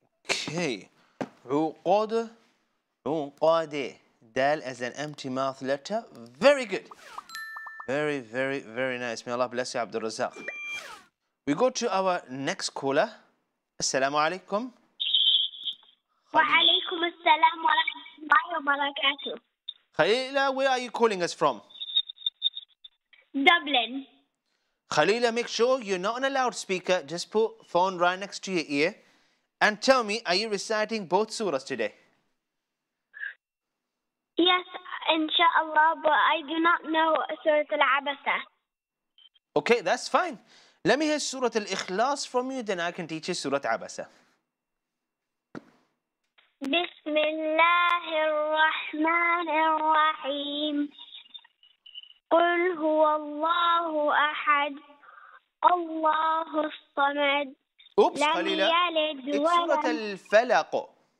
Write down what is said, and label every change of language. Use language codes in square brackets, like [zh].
[en] Okay. عقد عقد دال as an empty mouth letter. Very good. Very very very nice. May Allah bless you, عبد الرزاق. We go to our next caller. [ar] السلام عليكم. وعليكم السلام ورحمة وبركاته. [en] Khalila, where are you calling us from? Dublin. Khalila, make sure you're not on a loudspeaker. Just put phone right next to your ear. And tell me, are you reciting both surahs today? Yes, inshallah, but I do not know Surah Al-Abasa. Okay, that's fine. Let me hear Surah Al-Ikhlas from you, then I can teach you Surah Al-Abasa. [ar] بسم الله الرحمن الرحيم قل هو الله أحد الله الصمد لم يلد ولم يولد سورة الفلق